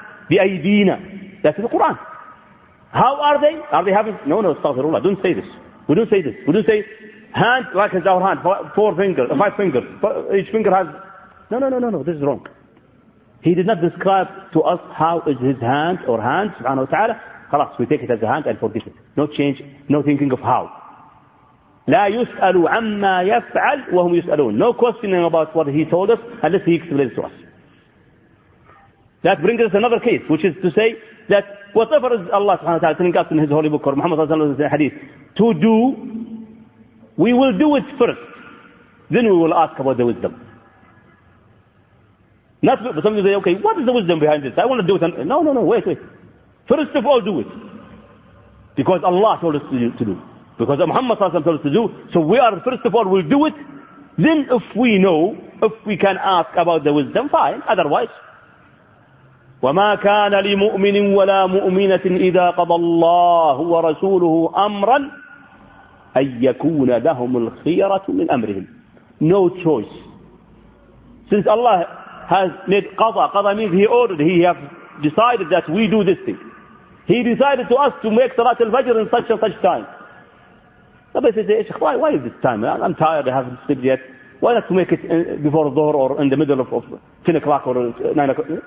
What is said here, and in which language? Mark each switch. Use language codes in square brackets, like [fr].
[ar] بِأَيْدِينَا. [en] That's in the Quran. How are they? Are they having? No, astaghfirullah. Don't say this. We don't say this. We don't say hand like as our hand. Four fingers, five fingers. Each finger has. No. This is wrong. He did not describe to us how is His hand or hands, subhanahu wa ta'ala. [ar] خلاص, [en] we take it as a hand and forget it. No change, no thinking of how. [ar] لا يسألوا عما يفعل وهم يسألون. [en] No questioning about what He told us unless He explains to us. That brings us another case, which is to say that whatever is Allah subhanahu wa ta'ala telling us in His holy book or Muhammad sallallahu alayhi wa sallam in the hadith to do, we will do it first. Then we will ask about the wisdom. Not but some people say, okay, what is the wisdom behind this? I want to do it. No, wait. First of all, do it. Because Allah told us to do. Because Muhammad sallallahu alayhi wa sallam told us to do. So we are, first of all, we'll do it. Then if we know, if we can ask about the wisdom, fine. Otherwise, [ar] وَمَا كَانَ لِمُؤْمِنٍ وَلَا مُؤْمِنَةٍ إِذَا قَضَى اللَّهُ وَرَسُولُهُ أَمْرًا أَنْ يَكُونَ لَهُمُ الْخِيَرَةُ مِنْ أَمْرِهِمْ. [en] No choice. Since Allah has made qadha, qadha means He ordered, He has decided that we do this thing. He decided to us to make Salat al-Fajr in such and such time. Somebody says, why is this time? I'm tired, I haven't slept yet. Why not to make it before Dhuhr or in the middle of 10 o'clock or 9 o'clock?